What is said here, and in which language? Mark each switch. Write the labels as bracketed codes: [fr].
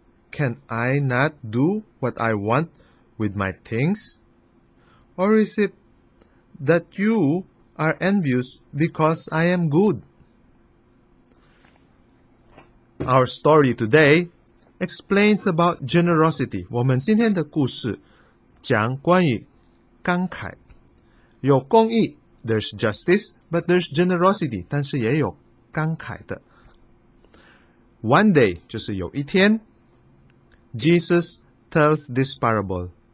[en] Can I not do what I want with my things? Or is it that you are envious because I am good?" Our story today explains about generosity. [zh] 我们今天的故事讲关于慷慨。有公义 [en] there's justice, but there's generosity, [zh] 但是也有慷慨的。 [en] One day, [zh] 就是有一天, [en] Jesus tells this parable.